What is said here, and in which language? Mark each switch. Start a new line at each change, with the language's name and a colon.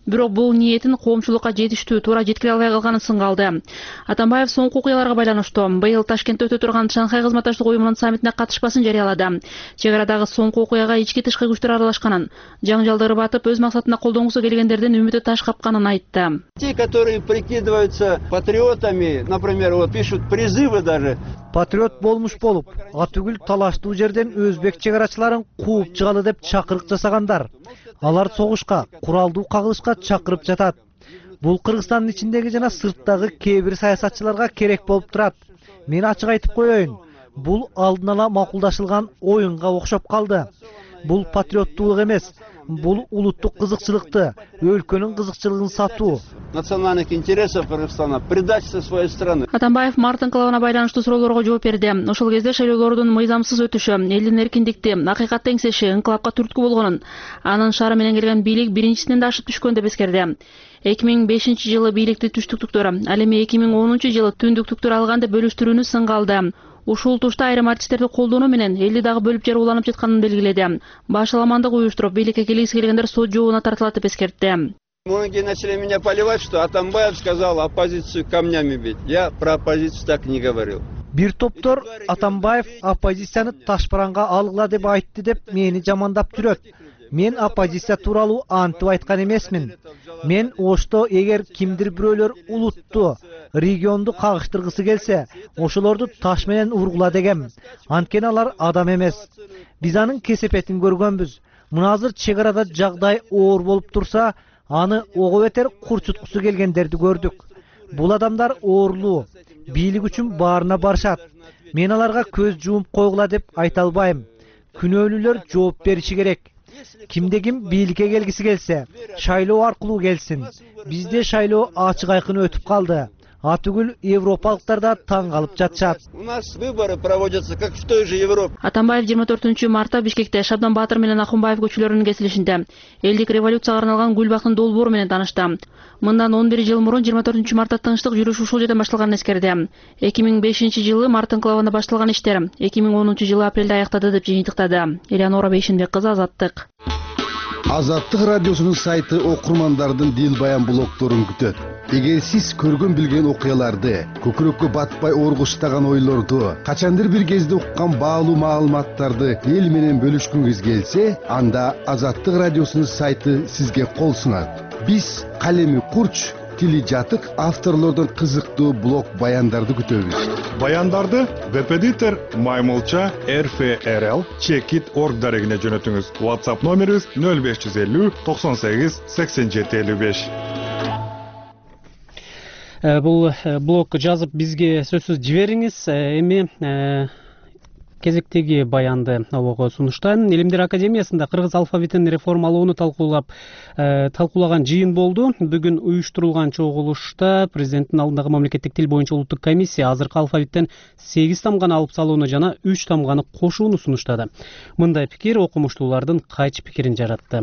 Kyrgyz: Бирок бул ниетин коомчулукка жетиштүү туура жеткире албай калганын сынга алды. Атамбаев соңку окуяларга байланыштуу быйыл Ташкентте өтө турган Шанхай кызматташтык уюмунун саммитине катышпасын жарыялады. Чек арадагы соңку окуяга ички тышкы аралашканын, жаңжалды ырбатып өз максатына колдонгусу келгендердин үмүтү таш капканын айтты.
Russian: Те, которые прикидываются патриотами, например, вот пишут призывы даже.
Kyrgyz: Патриот болмуш болуп, атүгүл талаштуу жерден өзбек чек арачыларын кууп чыгалы деп чакырык жасагандар. Алар согушка, куралдуу кагылышка чакырып жатат. Бул Кыргызстандын ичиндеги жана сырттагы кээ бир саясатчыларга керек болуп турат. Мен ачык айтып коеюн, бул алдын ала макулдашылган оюнга окшоп калды. Бул патриоттуулук эмес, бул улуттук кызыкчылыкты, өлкөнүн кызыкчылыгын сатуу.
Russian: Национальных интересов Кыргызстана, предательство своей страны.
Kyrgyz: Атамбаев Мартын кылабына байланыштуу суроолорго жооп берди. Ошол кезде шайлоолордун мыйзамсыз өтүшү, элдин эркиндикти, акыйкатты эңсеши инкылапка түрткү болгонун, анын шаары менен келген бийлик биринчисинен да ашып түшкөнүн деп эскерди. 2005 жылы бийликти түштүктүктөр, ал эми 2010 жылы түндүктүктөр алган деп бөлүштүрүүнү сынга алды. Ушул тушта айрым артисттерди колдонуу менен элди дагы бөлүп жер уланып жатканын белгиледи. Башаламандык уюштуруп бийликке келгиси келгендер сот жообуна тартылат деп эскертти.
Russian: Многие начали меня поливать, что Атамбаев сказал оппозицию камнями бить. Я про оппозицию так не говорил.
Kyrgyz: Бир топтор Атамбаев оппозицияны таш баранга алгыла деп айтты деп мени жамандап жүрөт. Мен оппозиция туралуу антып айткан эмесмин. Мен ошто эгер кимдир бирөөлөр улутту, регионду кагыштыргысы келсе, ошолорду таш менен ургула дегем. Анткени алар адам эмес. Биз анын кесепетин көргөнбүз. Мунаазыр чек арада жагдай оор болуп турса, аны ого бетер курчуткусу келгендерди көрдүк. Бул адамдар оорлуу, бийлик үчүн баарына барышат. Мен аларга көз жумуп койгула деп айта албайм. Күнөөлүүлөр жооп бериши керек. Кимде ким бийликке келгиси келсе, шайлоо аркылуу келсин. Бизде шайлоо ачык айкын өтүп калды. Атүгүл европалыктар да таң калып жатышат.
Russian: У нас выборы проводятся как в той же Европе.
Kyrgyz: Атамбаев 24 мартта Бишкекте Шабдан Баатыр менен Акынбаев көчөлөрүнүн кесилишинде элдик революцияга арналган гүл бакын долбоор менен таанышты. Мындан 11 жыл мурун 24 мартта тынчтык жүрүшү ушул жерден башталганын эскерди. 2005 жылы марттын клавында башталган иштер 2010 жылы апрелде аяктады деп жыйынтыктады. Элеонора Бейшенбек кызы, Азаттык. Азаттык радиосунун сайты окурмандардын дил баян блогдорун күтөт. Эгер сиз көргөн билген окуяларды, көкүрөккө батпай оргуштаган ойлорду, качандыр бир кезде уккан баалуу маалыматтарды эл менен бөлүшкүңүз келсе, анда Азаттык радиосунун сайты сизге кол сунат. Биз калеми курч, тили жатык авторлордон кызыктуу блог баяндарды күтөбүз. Баяндарды Wepediter маймылча rfrl chekit.org дарегине жөнөтүңүз. WhatsApp номерибиз 0550 98 87 55. Бул блог жазып бизге сөзсүз жибериңиз. Эми кезектеги баянды обого сунуштайм. Илимдер академиясында кыргыз алфавитин реформалоону талкуулаган жыйын болду. Бүгүн уюштурулган чогулушта президенттин алдындагы мамлекеттик тил боюнча улуттук комиссия азыркы алфавиттен 8 тамганы алып салууну жана 3 тамганы кошууну сунуштады. Мындай пикир окумуштуулардын кайч пикирин жаратты.